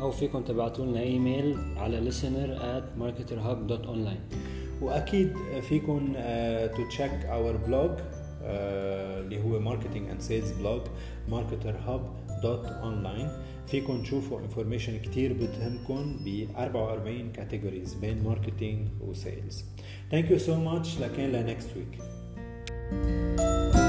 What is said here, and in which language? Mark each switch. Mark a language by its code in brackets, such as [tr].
[ar] أو فيكن تبعتولنا إيميل على listener@marketerhub.online. وأكيد فيكن [en] to check our blog [ar] اللي هو [en] marketing and sales blog marketerhub.online. [ar] فيكن تشوفوا information كتير بتهمكن ب 44 categories بين marketing و sales. [en] Thank you so much. [ar] لكن [en] لنكست ويك.